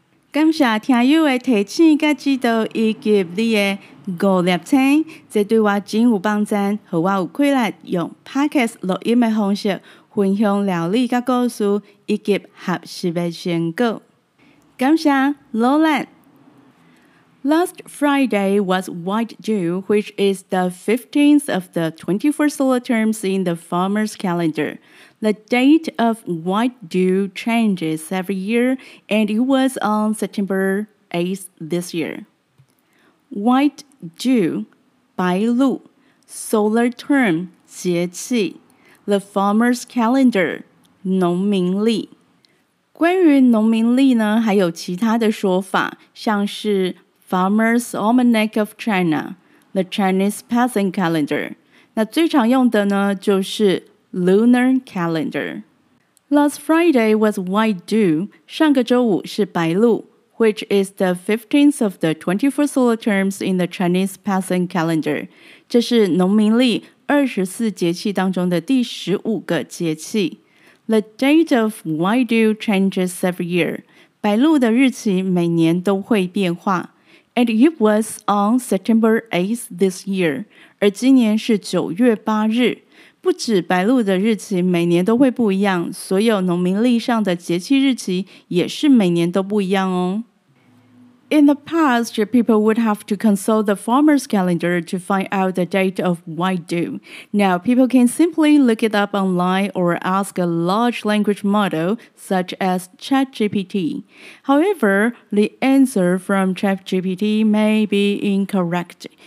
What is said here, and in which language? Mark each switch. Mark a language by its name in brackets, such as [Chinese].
[Chinese] 感谢听友的提醒甲指导，以及你的五粒星，这对我真有帮助，让我有气力用 Podcast 录音的方式分享料理甲故事，以及学习的成果。感谢罗兰。 [English] Last Friday was White Dew, which is the 15th of the 24 solar terms in the farmer's calendar. The date of White Dew changes every year, and it was on September 8th this year. White Dew, 白露, solar term, 节气, the farmer's calendar, 农民历。 [Chinese] 关于农民历呢，还有其他的说法，像是 [English] Farmer's Almanac of China, the Chinese Peasant Calendar. [Chinese] 那最常用的呢，就是 Lunar Calendar. [English] Last Friday was White Dew, [Chinese] 上个周五是白露, [English] which is the 15th of the 24 solar terms in the Chinese Peasant Calendar. [Chinese] 这是农民历24节气当中的第15个节气。 [English] The date of White Dew changes every year. [Chinese] 白露的日期每年都会变化。 [English] And it was on September 8th this year. [Chinese] 而今年是9月8日。不止白露的日期每年都会不一样，所有农民历上的节气日期也是每年都不一样哦。 [English] In the past, people would have to consult the farmer's calendar to find out the date of White Dew. Now, people can simply look it up online or ask a large language model, such as ChatGPT. However, the answer from ChatGPT may be incorrect.